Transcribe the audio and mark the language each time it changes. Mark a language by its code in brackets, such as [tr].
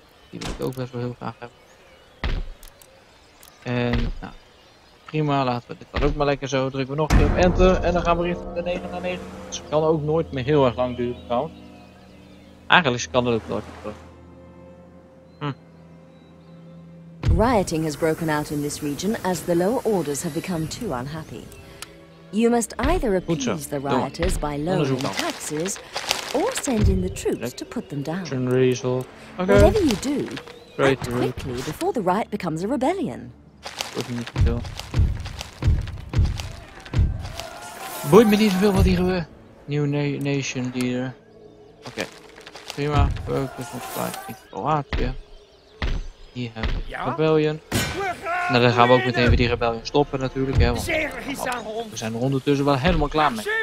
[nl] Die wil ik ook best wel heel graag hebben. En nou, prima, laten we dit dan ook maar lekker zo. Drukken we nog een keer op enter en dan gaan we richting de 9 naar 9. Dus het kan ook nooit meer heel erg lang duren trouwens. Eigenlijk kan het ook nooit meer terug. [en] Rioting has broken out in this region as the lower orders have become too unhappy. You must either appease the rioters by lowering taxes or send in the troops to put them down. Whatever you do, act quickly before the riot becomes a rebellion. [nl] Boeit me niet zoveel wat hier gebeurt. [en] New nation leader. [nl] Oké. Prima. [en] Focus on fighting [nl] Kroatië. Hier hebben we de rebellion. Nou, dan gaan we ook meteen weer die rebellion stoppen natuurlijk. Hè, we zijn er ondertussen wel helemaal klaar mee.